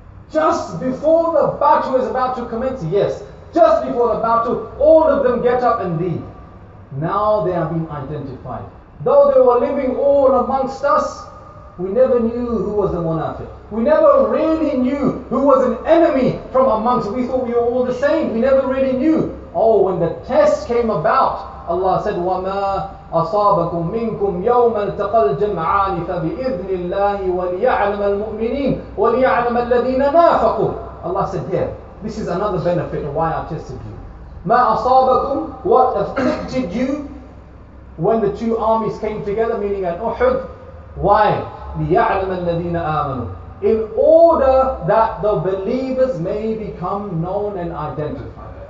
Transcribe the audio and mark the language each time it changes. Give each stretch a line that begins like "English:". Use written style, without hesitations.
English: Just before the battle is about to commence, yes, just before the battle, all of them get up and leave. Now they have been identified. Though they were living all amongst us, we never knew who was a munafiq. We never really knew who was an enemy from amongst. We thought we were all the same. We never really knew. Oh, when the test came about, Allah said,
Arabic: وَمَا أَصَابَكُم مِّنْكُمْ يَوْمَ الْتَقَى الْجَمْعَانِ فَبِإِذْنِ اللَّهِ وَلْيَعْلَمَ الْمُؤْمِنِينَ وَلْيَعْلَمَ الَّذِينَ نَافَقُوا.
English: Allah said, here, this is another benefit of why I tested you.
Arabic: مَا أَصَابَكُمْ,
English: what afflicted you when the two armies came together, meaning at Uhud. Why?
Arabic: لِيَعْلَمَ الَّذِينَ آمَنُوا.
English: In order that the believers may become known and identified.